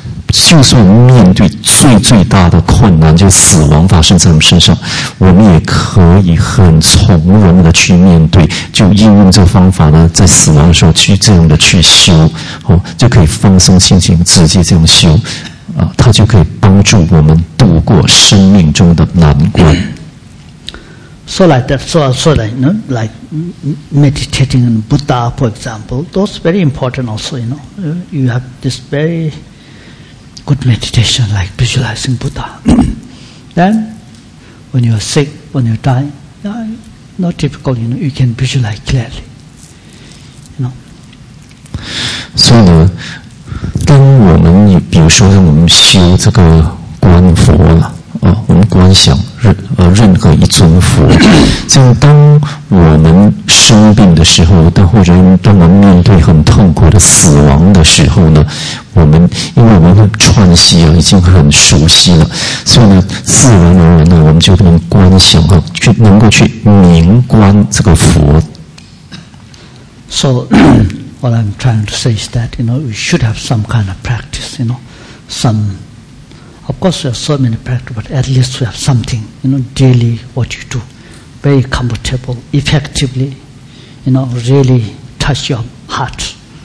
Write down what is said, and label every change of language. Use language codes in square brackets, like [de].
[zh] 就算面对最最大的困难，就死亡发生在我们身上，我们也可以很从容的去面对，就应用这个方法呢，在死亡的时候去这样的去修，哦，就可以放松心情，直接这样修，啊，它就可以帮助我们度过生命中的难关。 [en] So like that, you know, like meditating on Buddha, for example, those very important also, you know, you have this very good meditation, like visualizing Buddha. Then, when you are sick, when you die, yeah, not difficult, you know, you can visualize clearly. You know. So, [zh] 呢，当我们比如说让我们修这个观佛了，啊，我们观想任何一尊佛，就当我们生病的时候，或者当我们面对很痛苦的死亡的时候呢，我们因为我们串习啊，已经很熟悉了，所以呢，自然而然呢，我们就能观想啊，去能够去明观这个佛。 [en] So what I'm trying to say is that, you know, we should have some kind of practice, you know, some. Of course, we have so many practice, but at least we have something, you know, daily what you do, very comfortable, effectively, you know, really touch your heart.